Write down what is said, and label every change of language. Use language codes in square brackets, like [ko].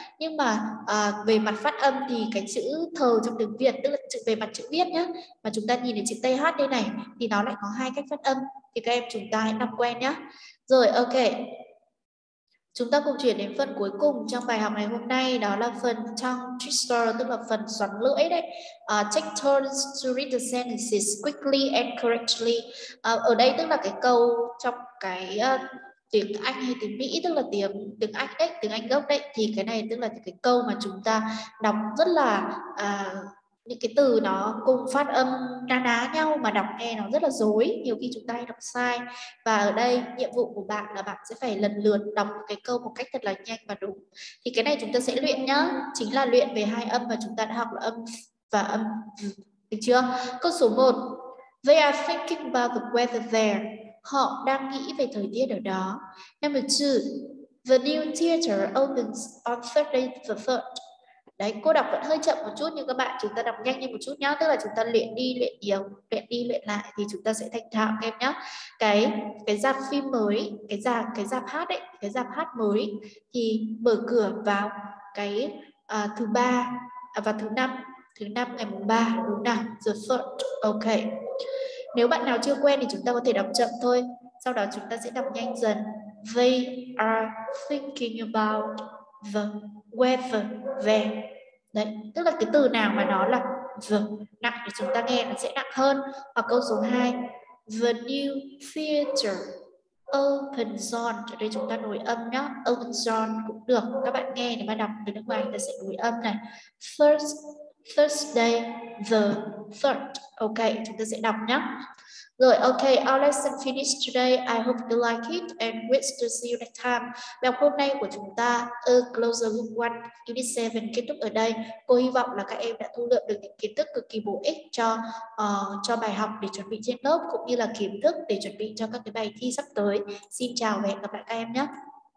[vi] Nhưng mà về mặt phát âm thì cái chữ thờ trong tiếng Việt, tức là về mặt chữ viết nhé, mà chúng ta nhìn thấy chữ TH đây này thì nó lại có hai cách phát âm, thì các em chúng ta hãy làm quen nhé. Rồi, ok. Chúng ta cùng chuyển đến phần cuối cùng trong bài học ngày hôm nay, đó là phần tongue twister, tức là phần xoắn lưỡi đấy. [en] Take turns to read the sentences quickly and correctly. [vi] Ở đây tức là cái câu trong cái tiếng Anh hay tiếng Mỹ, tức là tiếng Anh đấy, tiếng Anh gốc đấy, thì cái này tức là cái câu mà chúng ta đọc rất là những cái từ nó cùng phát âm na ná nhau mà đọc nghe nó rất là dối, nhiều khi chúng ta hay đọc sai. Và ở đây nhiệm vụ của bạn là bạn sẽ phải lần lượt đọc cái câu một cách thật là nhanh và đúng. Thì cái này chúng ta sẽ luyện nhá, chính là luyện về hai âm mà chúng ta đã học là âm và âm, được chưa? Câu số 1. [en] They are thinking about the weather there. [vi] Họ đang nghĩ về thời tiết ở đó. [en] Number 2. The new theater opens on Thursday the 3rd. [vi] Đấy, cô đọc vẫn hơi chậm một chút nhưng các bạn chúng ta đọc nhanh lên một chút nhá. Tức là chúng ta luyện đi luyện yếu, luyện đi luyện lại thì chúng ta sẽ thành thạo em nhá. Cái rạp phim mới, cái rạp hát ấy, cái rạp hát mới thì mở cửa vào cái thứ ba và thứ năm ngày mùng 3 đúng nào? [en] The first, [vi] ok. Nếu bạn nào chưa quen thì chúng ta có thể đọc chậm thôi. Sau đó chúng ta sẽ đọc nhanh dần. [en] They are thinking about the weather there. [vi] Đấy, tức là cái từ nào mà nó là the nặng thì chúng ta nghe nó sẽ nặng hơn. Hoặc câu số 2, [en] the new theater opens on. [vi] Ở đây chúng ta nối âm nhá, [en] opens on [vi] cũng được. Các bạn nghe để mà đọc từ nước ngoài, ta sẽ nối âm này. [en] Thursday the 3rd. [vi] Ok, chúng ta sẽ đọc nhá. [en] Rồi, ok, our lesson finished today. I hope you like it and wish to see you next time. [vi] Bài học hôm nay của chúng ta, A Closer Look 1, Unit 7 kết thúc ở đây. Cô hy vọng là các em đã thu lượm được những kiến thức cực kỳ bổ ích cho bài học để chuẩn bị trên lớp cũng như là kiến thức để chuẩn bị cho các cái bài thi sắp tới. Xin chào và hẹn gặp lại các em nhé.